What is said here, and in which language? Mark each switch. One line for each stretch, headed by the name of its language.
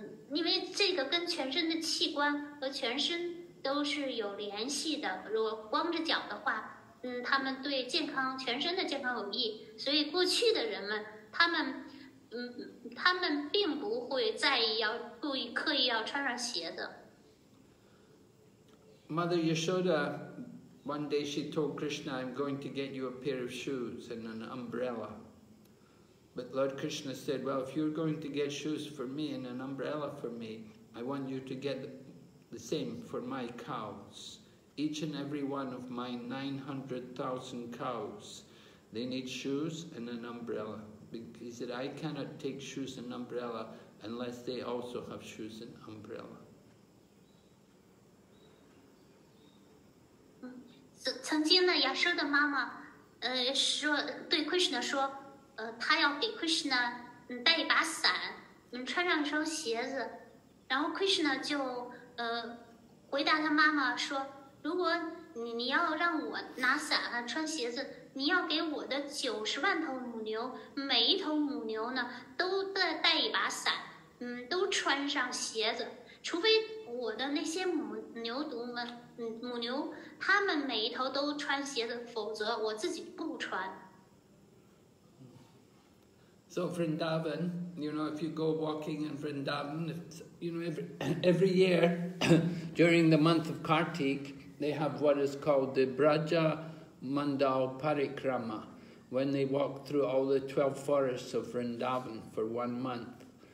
Chinese: 因为这个跟全身的器官和全身都是有联系的，如果光着脚的话，他们对健康全身的健康有益，所以过去的人们他们并不会在意要故意刻意要穿上鞋的。
English: Mother Yashoda, one day she told Krishna, I'm going to get you a pair of shoes and an umbrella. But Lord Krishna said, well, if you're going to get shoes for me and an umbrella for me, I want you to get the same for my cows. Each and every one of my 900,000 cows, they need shoes and an umbrella. He said, I cannot take shoes and umbrella unless they also have shoes and umbrella.
Chinese: 曾经呢，亚瑟的妈妈，说对 Krishna 说，他要给 Krishna 带一把伞，穿上一双鞋子，然后 Krishna 就回答他妈妈说，如果你要让我拿伞啊，穿鞋子，你要给我的900,000头母牛，每一头母牛呢都带一把伞，都穿上鞋子，除非我的那些母牛他们每一头都穿鞋子，否则我自己不穿。
English: So Vrindavan, you know, if you go walking in Vrindavan, you know, every year during the month of Kartik, they have what is called the Braja Mandal Parikrama, when they walk through all the 12 forests of Vrindavan for 1 month.